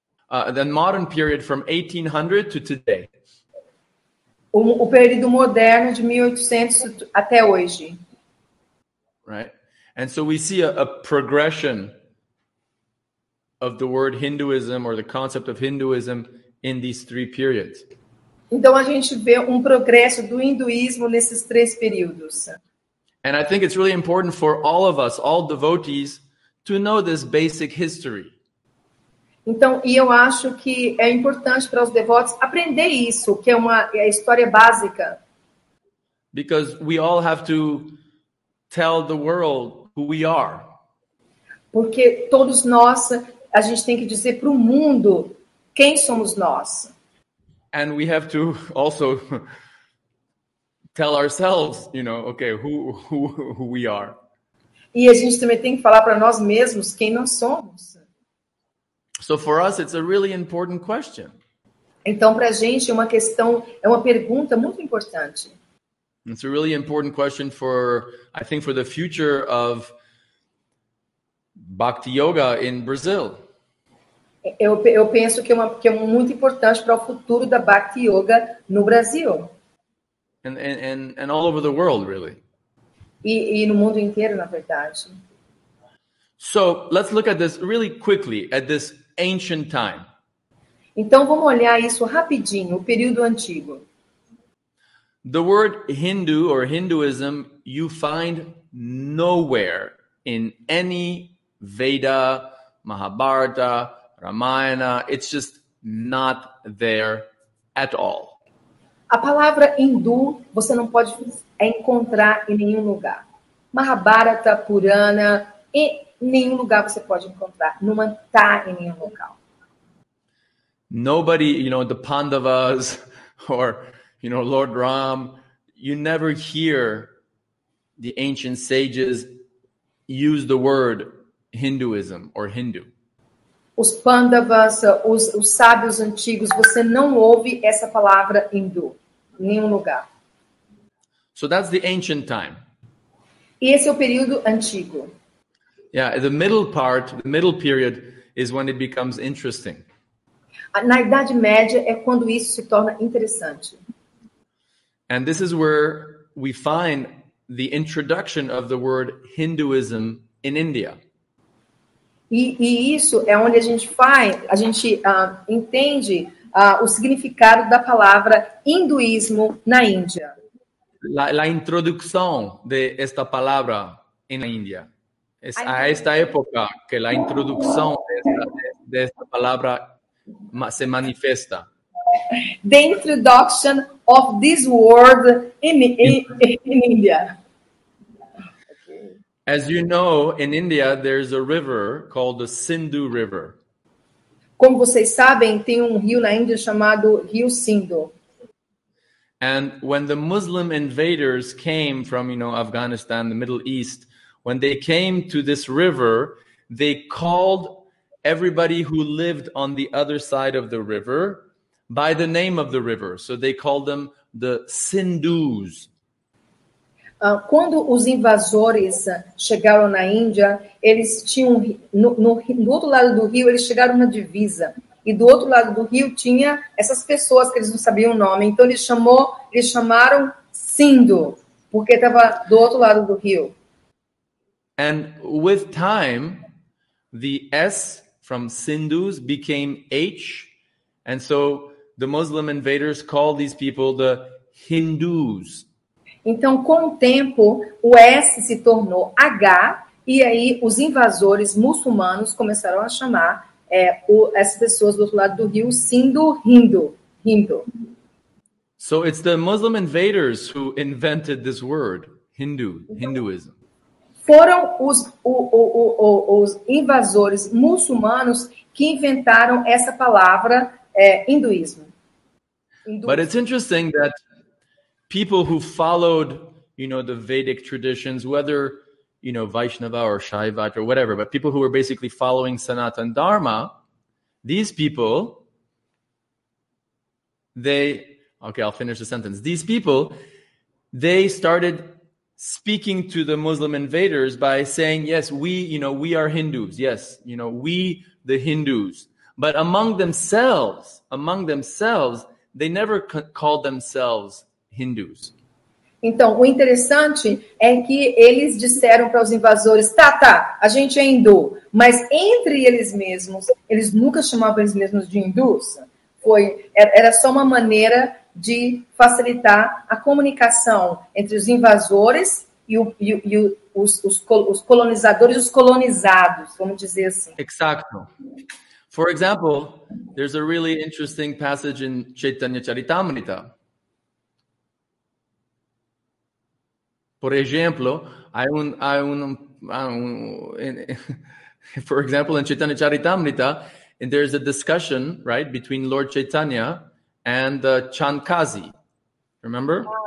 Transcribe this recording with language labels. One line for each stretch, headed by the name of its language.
English: The modern period from 1800 to today.
Portuguese: O período moderno de 1800 até hoje.
English: Right. And so we see a progression of the word Hinduism or the concept of Hinduism in these three periods.
Portuguese: Então a gente vê progresso do hinduísmo nesses três períodos.
English: And I think it's really important for all of us, all devotees, to know this basic history.
Portuguese: Então, e eu acho que é importante para os devotos aprender isso, que é uma história básica.
English: Because we all have to tell the world who we are.
Portuguese: Porque todos nós, a gente tem que dizer para o mundo quem somos nós.
English: And we have to also tell ourselves, you know, okay, who we are.
Portuguese: E a gente também tem que falar para nós mesmos quem nós somos.
English: So for us, it's a really important question.
Portuguese: Então, para a gente, uma questão, é uma pergunta muito importante.
English: It's a really important question for, I think, for the future of Bhakti Yoga in Brazil.
Portuguese: Eu penso que é, que é muito importante para o futuro da Bhakti Yoga no Brasil.
English: And all over the world, really.
Portuguese: E no mundo inteiro, na verdade.
English: So, let's look at this really quickly, at this ancient time.
Portuguese: Então, vamos olhar isso rapidinho, o período antigo.
English: The word Hindu or Hinduism, you find nowhere in any Veda, Mahabharata, Ramayana. It's just not there at all.
Portuguese: A palavra Hindu, você não pode encontrar em nenhum lugar. Mahabharata, Purana, em nenhum lugar você pode encontrar. Não está em nenhum local.
English: Nobody, you know, the Pandavas or, you know, Lord Ram, you never hear the ancient sages use the word Hinduism or Hindu.
Portuguese: Os Pandavas, os sábios antigos, você não ouve essa palavra Hindu em nenhum lugar.
English: So that's the ancient time.
Portuguese: E esse é o período antigo.
English: Yeah, the middle part, the middle period is when it becomes interesting.
Portuguese: Na Idade Média é quando isso se torna interessante.
English: And this is where we find the introduction of the word Hinduism in India.
Portuguese: E isso é onde a gente entende o significado da palavra hinduísmo na Índia.
Spanish: La introducción de esta palavra en la India. Es a esta época que la introducción de esta palavra se manifesta.
English: The introduction of this word in India. As you know, in India there's a river called the Sindhu River.
Portuguese: Como vocês sabem, tem rio na Índia chamado Rio Sindhu.
English: And when the Muslim invaders came from, you know, Afghanistan, the Middle East, when they came to this river, they called everybody who lived on the other side of the river by the name of the river. So they called them the Sindhus.
Portuguese: Quando os invasores chegaram na Índia, eles tinham, do outro lado do rio, eles chegaram na divisa. E do outro lado do rio tinha essas pessoas que eles não sabiam o nome. Então eles chamaram Sindhu, porque estava do outro lado do rio.
English: And with time, the S from Sindhus became H. And so the Muslim invaders called these people the Hindus.
Portuguese: Então, com o tempo, o S se tornou H, e aí os invasores muçulmanos começaram a chamar essas pessoas do outro lado do rio Sindhu Hindu.
English: So it's the Muslim invaders who invented this word, Hindu, Hinduism.
Portuguese: Foram os invasores muçulmanos que inventaram essa palavra hinduísmo.
English: But it's interesting that people who followed, you know, the Vedic traditions, whether, you know, Vaishnava or Shaivite or whatever, but people who were basically following Sanatan Dharma, these people, these people, they started speaking to the Muslim invaders by saying, yes, we, you know, we are Hindus. Yes, you know, we, the Hindus. But among themselves, they never called themselves Hindus.
Portuguese: Então, o interessante é que eles disseram para os invasores, tá, a gente é hindu, mas entre eles mesmos, eles nunca chamavam eles mesmos de hindus. Era só uma maneira de facilitar a comunicação entre os invasores e os colonizadores e os colonizados, vamos dizer assim. Exato.
English: For example, there's a really interesting passage in Chaitanya Charitamrita.
Portuguese: Por exemplo,
English: in Chaitanya Charitamrita, and there's a discussion, right, between Lord Chaitanya and Chankazi. Remember?